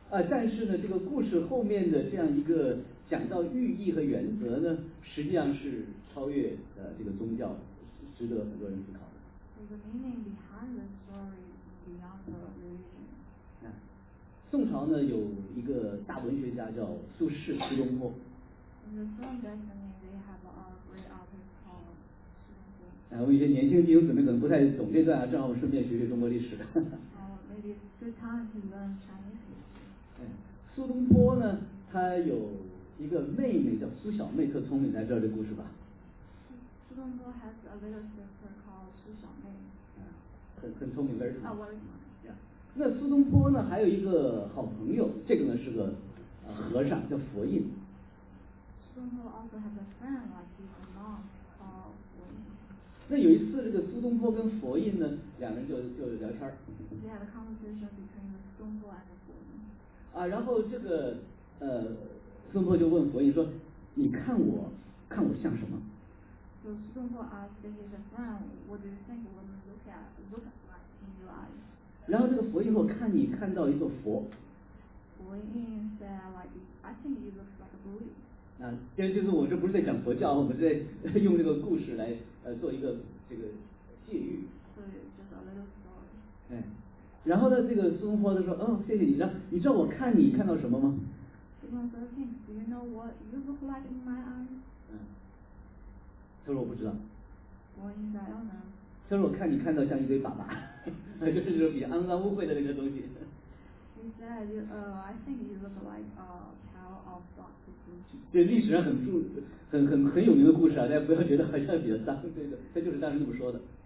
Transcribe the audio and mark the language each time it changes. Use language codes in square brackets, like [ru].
[zh] 但是呢这个故事后面的这样一个讲到寓意和原则呢实际上是超越这个宗教，值得很多人思考的。 [en] The meaning behind the story is beyond the religion. [zh] 宋朝呢有一个大文学家叫苏轼，苏东坡。 [en] In the Song Dynasty, they have a great artist called 苏东坡。 [zh] 我们一些年轻弟兄姊妹可能不太懂这段啊，正好顺便学学中国历史。 [en] Maybe it's good time to learn Chinese. [zh] 苏东坡呢，他有一个妹妹叫苏小妹，特聪明，大家知道这故事吧？ [en] 苏东坡 has a little sister called 苏小妹。 [zh] 很聪明， [en] very smart。 [zh] 那苏东坡呢，还有一个好朋友，这个呢是个和尚，叫佛印。 [en] 苏东坡 also has a friend like his monk called 佛印。 [zh] 那有一次，这个苏东坡跟佛印呢，两人就聊天。 [en] They had a conversation between 苏东坡 and 佛印。 [zh] 然后这个苏东坡就问佛印说，你看我像什么？ [en] So Su Dongbo asked his friend, what do you think when you look like in your eyes? [zh] 然后这个佛印说，看你看到一座佛。 [en] 佛印 said, like, I think it looks like a Buddha. [zh] 那这就是我这不是在讲佛教，我们在用这个故事来做一个这个借喻。 [en] So just a little story. [zh] 然后呢，这个苏东坡就说：“哦，谢谢你。你知道我看你看到什么吗？” [en] 苏东坡 said, "Do you know what you look like in my eyes?" [zh] 他说我不知道。我应该要呢。他说我看你看到像一堆粑粑，就是比肮脏污秽的那个东西。 [en] He said, "I think you look like a pile of dog poop." [zh] 这历史上很有名的故事啊，大家不要觉得好像比较脏，对的，他就是当时那么说的。